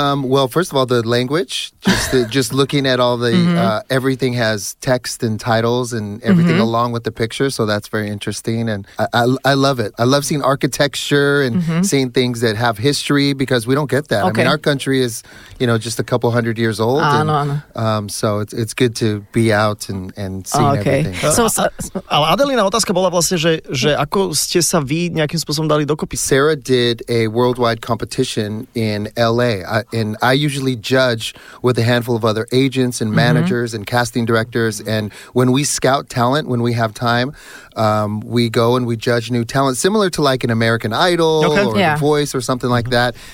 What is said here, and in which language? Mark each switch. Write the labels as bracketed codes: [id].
[en] Well, first of all, the language, just looking at all the, everything has text and titles and everything along with the picture, so that's very interesting, and I love it. I love seeing architecture culture and mm-hmm. seeing things that have history, because we don't get that. Okay. I mean, our country is, you know, just a couple hundred years old. So it's good to be out and seeing everything. [sk] So, Adelina, otázka bola vlastne, že ako ste sa vy nejakým spôsobom dali dokopy? [en] Sarah did a worldwide competition in LA, and I usually judge with a handful of other agents and managers mm-hmm. and casting directors, and when we scout talent, when we have time, we go and we judge new talent, similar to like an American Idol or The Voice or something like that.